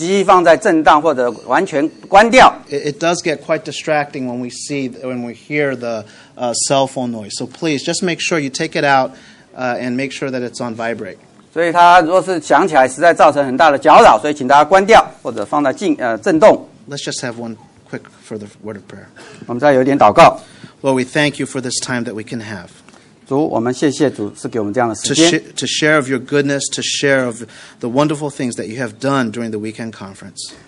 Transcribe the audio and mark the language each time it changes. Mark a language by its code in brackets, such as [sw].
[zh] 我们已经报告过好几次了，我们还是在提醒大家把你的手机放在震荡或者完全关掉。 [en] It does get quite distracting when we see when we hear the cell phone noise. So please just make sure you take it out and make sure that it's on vibrate. [zh] 所以它若是响起来，实在造成很大的搅扰，所以请大家关掉或者放在震动。 [en] Let's just have one quick further word of prayer. [zh] 我们再有点祷告。 [en] Lord, we thank you for this time that we can have. [zh] 主，我们谢谢主，是给我们这样的时间。 [en] To share of your goodness, to share of the wonderful things that you have done during the weekend conference.